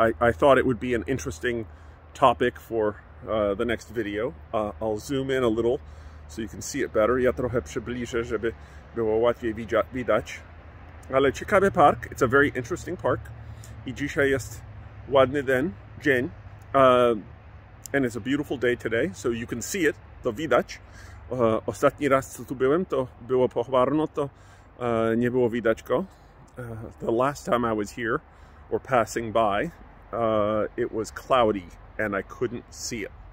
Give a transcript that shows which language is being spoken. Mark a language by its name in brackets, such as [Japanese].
[English] I thought it would be an interesting topic for the next video. I'll zoom in a little so you can see it better. [Polish] Ja trochę przybliżę, żeby było łatwiej widać. Ale ciekawy park, [English] it's a very interesting park. [Polish] I dzisiaj jest ładny dzień. [English] And it's a beautiful day today, so you can see it, [Polish] to widać. Ostatni raz, co tu byłem, to było pochmurno, to nie było widać go. [English] The last time I was here, or passing by, it was cloudy, and I couldn't see it.